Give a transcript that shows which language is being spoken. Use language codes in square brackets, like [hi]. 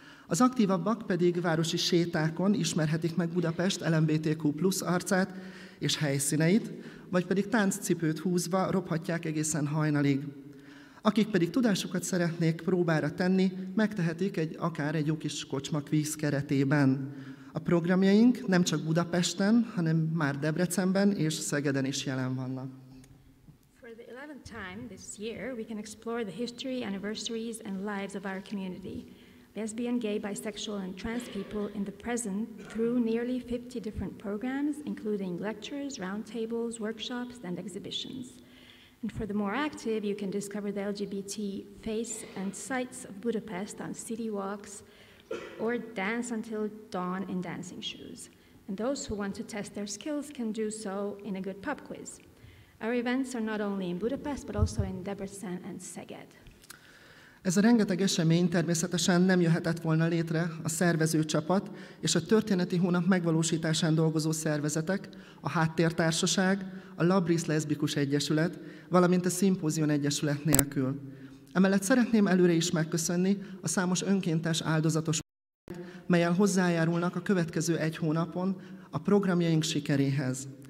[hu] Az aktívabbak pedig városi sétákon ismerhetik meg Budapest LMBTQ plusz arcát és helyszíneit, vagy pedig tánccipőt húzva robhatják egészen hajnalig. Akik pedig tudásukat szeretnék próbára tenni, megtehetik akár egy jó kis kocsmak víz keretében. A programjaink nem csak Budapesten, hanem már Debrecenben és Szegeden is jelen vannak. [en] For the 11th time this year, we can explore the history, anniversaries and lives of our community. Lesbian, gay, bisexual, and trans people in the present through nearly 50 different programs, including lectures, roundtables, workshops, and exhibitions. And for the more active, you can discover the LGBT face and sights of Budapest on city walks or dance until dawn in dancing shoes. And those who want to test their skills can do so in a good pub quiz. Our events are not only in Budapest, but also in Debrecen and Szeged. [hu] Ez a rengeteg esemény természetesen nem jöhetett volna létre a szervezőcsapat és a történeti hónap megvalósításán dolgozó szervezetek, a Háttértársaság, a Labrisz Leszbikus Egyesület, valamint a Szimpózion Egyesület nélkül. Emellett szeretném előre is megköszönni a számos önkéntes áldozatos munkát, melyel hozzájárulnak a következő egy hónapon a programjaink sikeréhez.